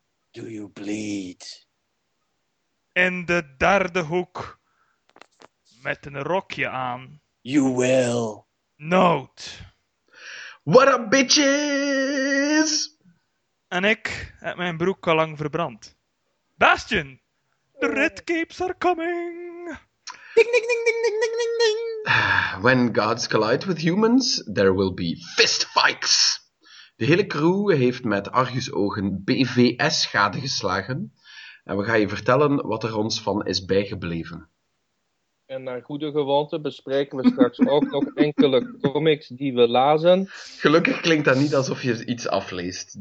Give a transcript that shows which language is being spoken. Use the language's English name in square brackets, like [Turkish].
[English] Do you bleed? [Dutch] In de derde hoek, met een rokje aan. [English] You will. [Dutch] Noot. [English] What up, bitches? [Dutch] En ik heb mijn broek al lang verbrand. [English] Bastion, the red capes are coming. Ding, ding, ding, ding, ding, ding, ding, ding. When gods collide with humans, there will be fistfights. [Dutch] De hele crew heeft met argusogen BVS gade geslagen. En we gaan je vertellen wat er ons van is bijgebleven. En naar goede gewoonte bespreken we straks ook nog enkele comics die we lazen. Gelukkig klinkt dat niet alsof je iets afleest.